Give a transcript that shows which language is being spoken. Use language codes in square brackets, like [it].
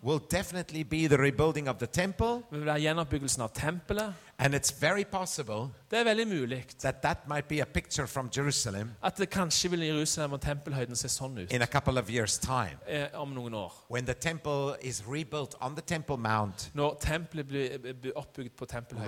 [en] will definitely be the rebuilding of the temple. [no] Vil være gjenoppbyggelsen av tempelet. [en] And it's very possible [no] det veldig muligt, [en] that might be a picture from Jerusalem, [no] at det kanskje vil Jerusalem og tempelhøyden se sånn ut, [en] in a couple of years' time, [no] om noen år. [en] When the temple is rebuilt on the Temple Mount, [no] når tempelet blir oppbygget på tempelhøyden,